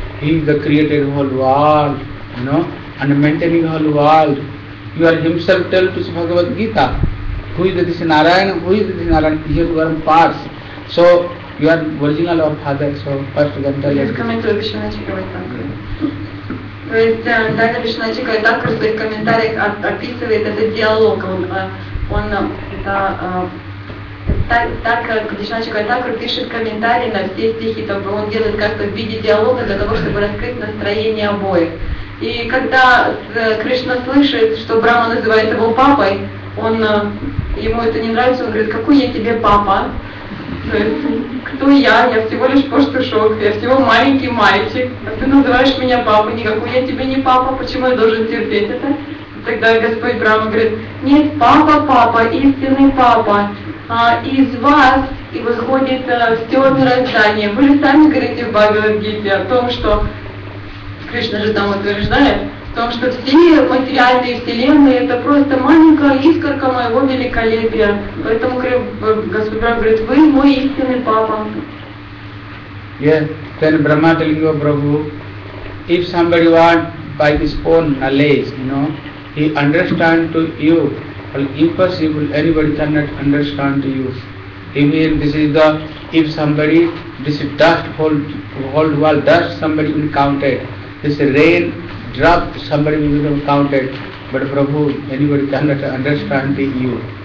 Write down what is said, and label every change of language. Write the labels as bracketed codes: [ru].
[en] He is the created whole world, you know, and maintaining whole world. You are himself tell to Bhagavad Gita. Who is this Narayana? Who is this Narayana? He is one part. So, you are original of father, so first you can tell us. [ru] То есть Даня Вишнаджи Гайдакр в своих комментариях описывает этот диалог. Так Вишнаджи Гайдакр пишет комментарии на все стихи, то он делает как-то в виде диалога для того, чтобы раскрыть настроение обоих. И когда Кришна слышит, что Брама называет его папой, ему это не нравится, он говорит, какой я тебе папа? Кто я? Я всего лишь пастушок, я всего маленький мальчик, а ты называешь меня папой, никакой я тебе не папа, почему я должен терпеть это? Тогда Господь Брама говорит, нет, папа, истинный папа, из вас и выходит все мироздание. Вы же сами говорите в Бхагавад-гите о том, что, Кришна же там утверждает, в том, что все материальные вселенные это просто маленькая искорка моего великолепия. Поэтому Господь Брахма говорит, вы мой истинный папа. [en] Yes, then Brahma telling you, Prabhu, if somebody want by his own knowledge, you know, he understand to you, well, impossible, anybody cannot understand to you. Even this is the, if somebody, this dust hold while dust somebody will count it, this rain, drop somebody will become counted, but Prabhu, anybody cannot understand the you.